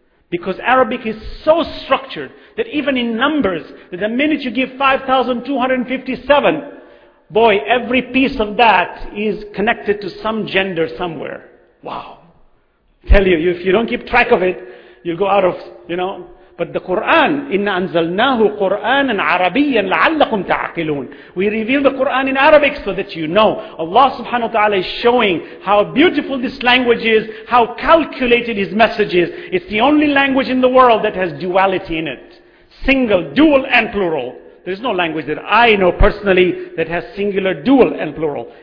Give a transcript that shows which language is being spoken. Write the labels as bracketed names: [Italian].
[English] Because Arabic is so structured that even in numbers, that the minute you give 5,257, boy, every piece of that is connected to some gender somewhere. Wow. I tell you, if you don't keep track of it, you'll go out of, you know. But the Quran, [Arabic] إِنَّ أَنزَلْنَاهُ قُرْآنًا عَرَبِيًّا لَعَلَّكُمْ تَعْقِلُونَ. [English] We reveal the Quran in Arabic so that you know. Allah subhanahu wa ta'ala is showing how beautiful this language is, how calculated His message is. It's the only language in the world that has duality in it. Single, dual and plural. There's no language that I know personally that has singular, dual and plural.